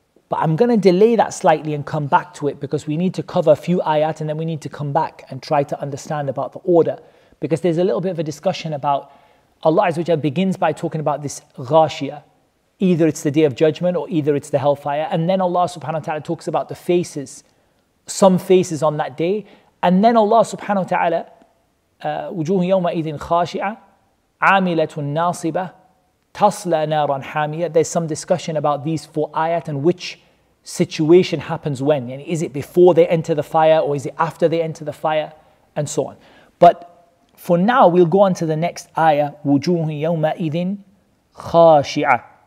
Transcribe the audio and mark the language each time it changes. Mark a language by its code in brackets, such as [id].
[en] But I'm going to delay that slightly and come back to it, because we need to cover a few ayat and then we need to come back and try to understand about the order. Because there's a little bit of a discussion about Allah Azza wa Jalla begins by talking about this ghashiyah. Either it's the day of judgment or either it's the hellfire. And then Allah subhanahu wa ta'ala talks about the faces some faces on that day. And then Allah subhanahu wa ta'ala, [ar] وجوه يومئذ خاشعة عاملة ناصبة تصلى نارا حامية. [en] There's some discussion about these four ayat and which situation happens when. Is it before they enter the fire or is it after they enter the fire? And so on. But for now, we'll go on to the next ayah. [ar] وجوه يومئذ خاشعة.